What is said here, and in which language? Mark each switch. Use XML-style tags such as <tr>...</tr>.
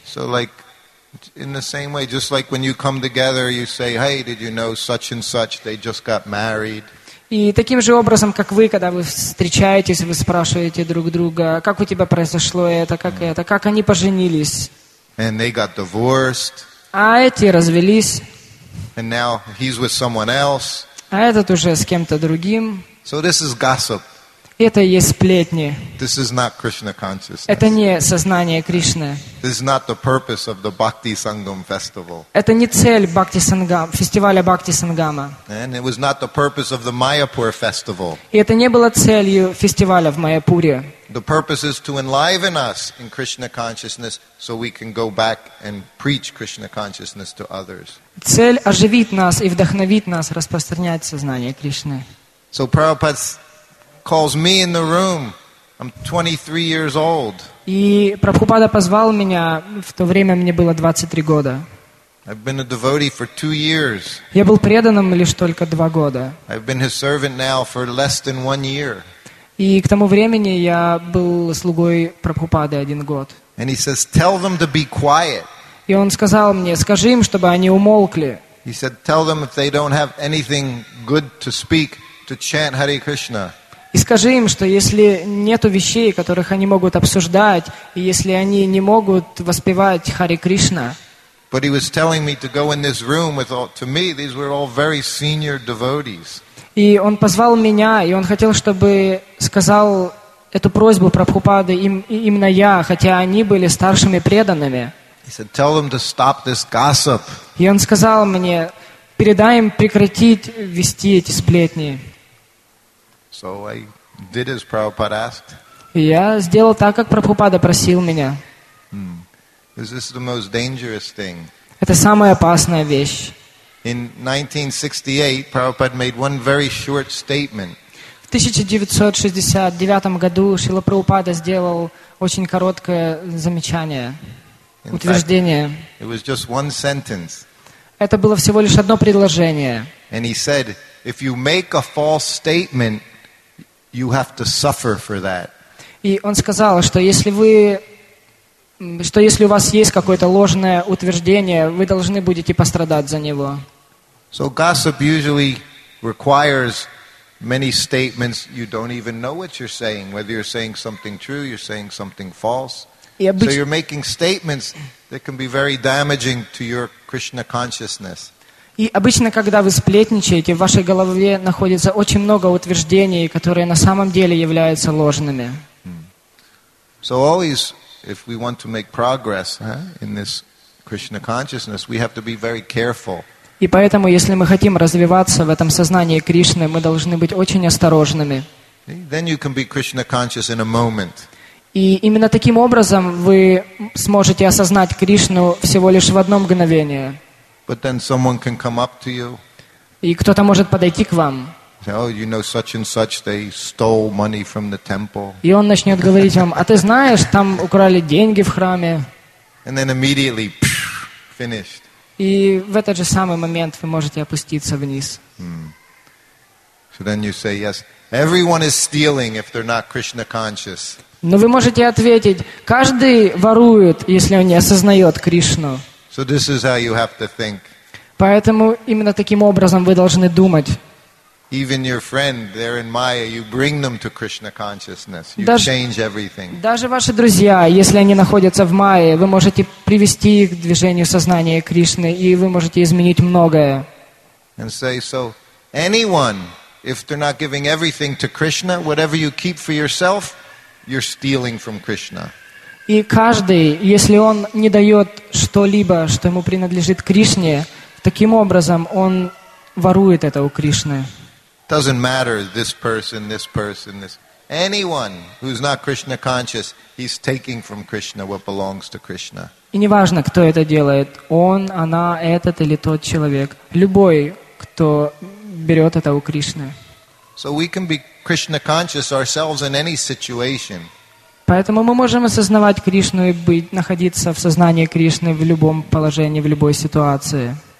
<en>So like in the same way, just like when you come together, you say, "Hey, did you know such and such? They just got married."</en> <ru>И таким же образом, как вы, когда вы встречаетесь, вы спрашиваете друг друга, как у тебя произошло это, как это, как они поженились.</ru> <en>And they got divorced.</en> <ru>А эти развелись.</ru> <en>And now he's with someone else.</en> <ru>А этот уже с кем-то другим.</ru> <en>So this is gossip.</en> <ru>Это и есть сплетни.</ru> <en>This is not Krishna consciousness.</en> <ru>Это не сознание Кришны.</ru> <en>This is not the purpose of the Bhakti Sangam festival.</en> <ru>Это не цель Бхакти Сангам, фестиваля Бхакти Сангама.</ru> <en>And it was not the purpose of the Mayapur festival.</en> <ru>И это не было целью фестиваля в Майяпуре.</ru> <en>The purpose is to enliven us in Krishna consciousness so we can go back and preach Krishna consciousness to others.</en> <ru>Цель оживить нас и вдохновить нас распространять сознание Кришны.</ru> <en>So Prabhupada calls me in the room. I'm 23 years old.</en> <ru>И Прабхупада позвал меня, в то время мне было 23 года.</ru> <en>I've been a devotee for 2 years.</en> <ru>Я был преданным лишь только 2 года.</ru> <en>I've been his servant now for less than 1 year.</en> <ru>И к тому времени я был слугой Прабхупады 1 год.</ru> <en>And he says, "Tell them to be quiet."</en> <ru>И он сказал мне, скажи им, чтобы они умолкли.</ru> <en>He said, tell them if they don't have anything good to speak, to chant Hare Krishna.</en> <ru>И скажи им, что если нету вещей, которых они могут обсуждать, и если они не могут воспевать Харе Кришна.</ru> <en>But he was telling me to go in this room with all, to me, these were all very senior devotees.</en> <ru>И он позвал меня, и он хотел, чтобы сказал эту просьбу Прабхупады им, именно я, хотя они были старшими преданными.</ru> <en>He said, tell them to stop this gossip.</en> <ru>И он сказал мне, передай им прекратить вести эти сплетни.</ru> <en>So I did as Prabhupada asked.</en> <ru>И я сделал так, как Прабхупада просил меня.</ru> <en>Is this the most dangerous thing?</en> <ru>Это самая опасная вещь.</ru> <en>In 1968, Prabhupada made one very short statement.</en> <ru>В 1969 году Шрила Прабхупада сделал очень короткое замечание, утверждение.</ru> <en>It was just one sentence.</en> <ru>Это было всего лишь одно предложение.</ru> <en>And he said, if you make a false statement, you have to suffer for that.</en> <ru>И он сказал, что если вы что если у вас есть какое-то ложное утверждение, вы должны будете пострадать за него.</ru> <en>So gossip usually requires many statements you don't even know what you're saying, whether you're saying something true, you're saying something false. So you're making statements that can be very damaging to your Krishna consciousness.</en> <ru>И обычно, когда вы сплетничаете, в вашей голове находится очень много утверждений, которые на самом деле являются ложными.</ru> <en>So always, if we want to make progress in this Krishna consciousness, we have to be very careful.</en> <ru>И поэтому, если мы хотим развиваться в этом сознании Кришны, мы должны быть очень осторожными.</ru> <en>Then you can be Krishna conscious in a moment.</en> <ru>И именно таким образом вы сможете осознать Кришну всего лишь в одно мгновение.</ru> <en>But then someone can come up to you.</en> <ru>И кто-то может подойти к вам.</ru> <en>Oh, you know such and such, they stole money from the temple.</en> <ru>И он начнет говорить вам, а ты знаешь, там украли деньги в храме.</ru> <en>And then immediately, finished.</en> <ru>И в этот же самый момент вы можете опуститься вниз.</ru> <en>So then you say, yes, everyone is stealing if they're not Krishna conscious.</en> <ru>Но вы можете ответить, каждый ворует, если он не осознает Кришну.</ru> <en>So this is how you have to think.</en> <ru>Поэтому именно таким образом вы должны думать.</ru> <en>Even your friend there in Maya, you bring them to Krishna consciousness. You change everything.</en> <ru>Даже ваши друзья, если они находятся в Майе, вы можете привести их к движению сознания Кришны, и вы можете изменить многое.</ru> <en>And say, so anyone, if they're not giving everything to Krishna, whatever you keep for yourself, you're stealing from Krishna.</en> <ru>И каждый, если он не дает что-либо, что ему принадлежит Кришне, таким образом он ворует это у Кришны.</ru> <en>Doesn't matter this person, this person, this anyone who's not Krishna conscious, he's taking from Krishna what belongs to Krishna.</en> <ru>И неважно, кто это делает, он, она, этот или тот человек, любой, кто берет это у Кришны.</ru> <en>So we can be Krishna conscious ourselves in any situation.</en> <ru>Поэтому мы можем осознавать Кришну и быть, находиться в сознании Кришны в любом положении, в любой ситуации.</ru>